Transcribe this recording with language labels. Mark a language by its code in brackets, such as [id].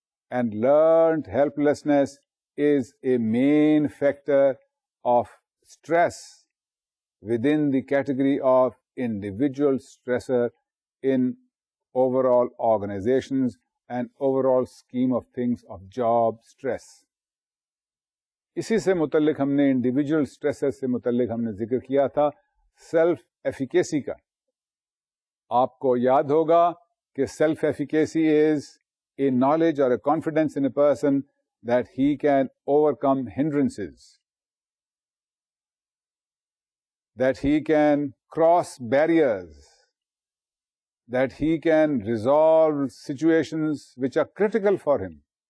[en] And learned helplessness is a main factor of stress within the category of individual stressor in overall organizations and overall scheme of things of job stress. [ur] اسی سے متعلق ہم نے individual stressor سے متعلق ہم نے ذکر کیا تھا self efficacy کا. آپ کو یاد ہوگا کہ [en] self efficacy is a knowledge or a confidence in a person that he can overcome hindrances, that he can cross barriers, that he can resolve situations which are critical for him.